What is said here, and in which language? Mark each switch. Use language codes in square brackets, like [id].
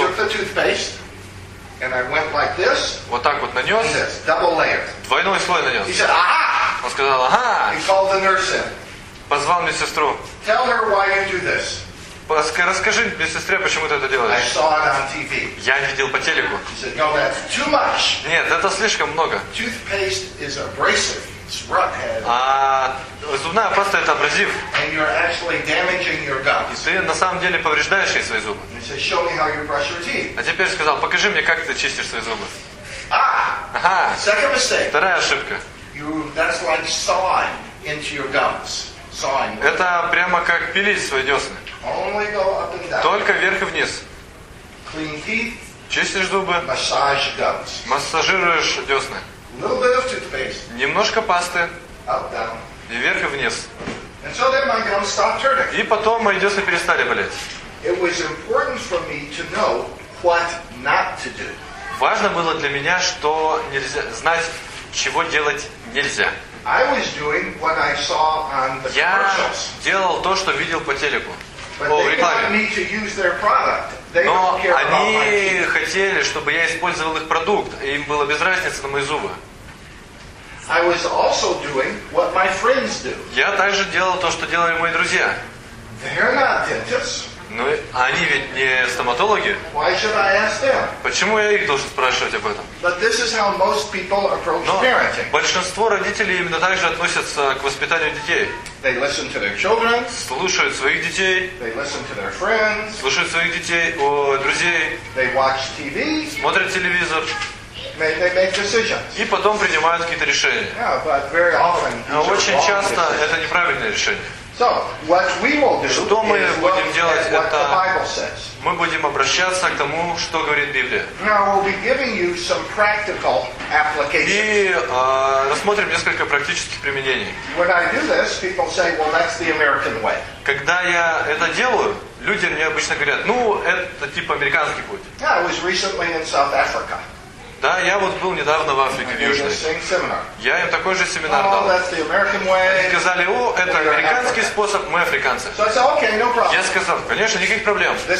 [en] I took the toothpaste. And I went like this. [ru] Вот так вот нанес. [en] This, double layer. [ru] Двойной слой нанес. [en] He said, ага! [ru] Он сказал, ага! [en] He called the nurse in. [ru] Позвал мне сестру. [en] Tell her why you do this. [ru] Расскажи мне, сестре, почему ты это делаешь. [en] I saw it on TV. [ru] Я видел по телеку. [en] He said, no, that's too much. [ru] Нет, это слишком много. [en] Toothpaste is abrasive. It's [ru] roughhead. А зубная паста это абразив. [en] And you're actually damaging your gums. [ru] Ты на самом деле повреждаешь ей свои зубы. [en] He said, show me how you brush your teeth. [ru] А теперь сказал, покажи мне, как ты чистишь свои зубы. Ah, ага. [en] Second mistake. [ru] Вторая ошибка. [en] That's like sawing into your gums. [ru] Это прямо как пилить свои десны. Только вверх и вниз. [en] Clean teeth. [ru] Чистишь зубы. [en] Massage gums. [ru] Массажируешь десны. [en] Little bit of toothpaste. [ru] Немножко пасты. [en] Up, down. [ru] И вверх и вниз. [en] And so then my gums stopped hurting. [ru] И потом мои десны перестали болеть. [en] It was important for me to know what not to do. [ru] Важно было для меня, что нельзя знать, чего делать нельзя. [en] I was doing what I saw on the commercials. [ru] Я делал то, что видел по телеку. [en] But they wanted me to use their product. [ru] Но они хотели, чтобы я использовал их продукт, и им было без разницы на мои зубы. [en] I was also doing what my friends do. [ru] Я также делал то, что делали мои друзья. [en] They're not dentists. [ru] Но они ведь не стоматологи. [en] Why should I ask them? [ru] Почему я их должен спрашивать об этом? [en] But this is how most people approach parenting. [ru] Большинство родителей именно так же относятся к воспитанию детей. [en] They listen to their children. [ru] Слушают своих детей. [en] They listen to their friends. [ru] Слушают своих детей, друзей. [en] They watch TV. [ru] Смотрят телевизор. [en] They make decisions. [ru] И потом принимают какие-то решения. [en] Yeah, but very often. [ru] Но очень часто это неправильное решение. [en] So, what we will do [ru] что мы будем делать, [en] what [ru] это [en] the Bible says. [ru] Мы будем обращаться к тому, что говорит Библия. [en] Now, we'll be giving you some practical applications. [ru] И рассмотрим несколько практических применений. [en] When I do this, people say, well, that's the American way. [ru] Когда я это делаю, люди мне обычно говорят, ну, это типа американский путь. [en] Yeah, I was recently in South Africa. [ru] Да, я вот был недавно в Африке, в Южной. Я им такой же семинар дал. Они сказали, о, это американский способ, мы африканцы. Я сказал, конечно, никаких проблем.